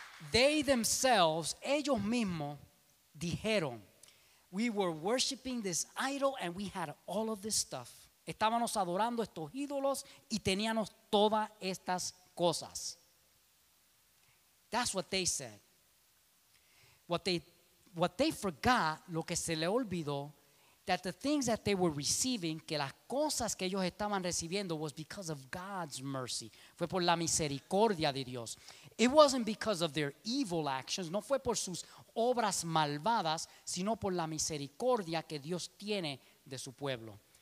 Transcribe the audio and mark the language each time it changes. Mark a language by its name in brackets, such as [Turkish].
[English] They themselves, [Spanish] ellos mismos, dijeron, [English] we were worshiping this idol and we had all of this stuff. [Spanish] Estábamos adorando estos ídolos y teníamos todas estas cosas. [English] That's what they said. What they forgot, [Spanish] lo que se le olvidó, [English] that the things that they were receiving, [Spanish] que las cosas que ellos estaban recibiendo, [English] was because of God's mercy. [Spanish] Fue por la misericordia de Dios. [English] It wasn't because of their evil actions, [Spanish] no fue por sus obras malvadas, sino por la misericordia que Dios tiene de su pueblo.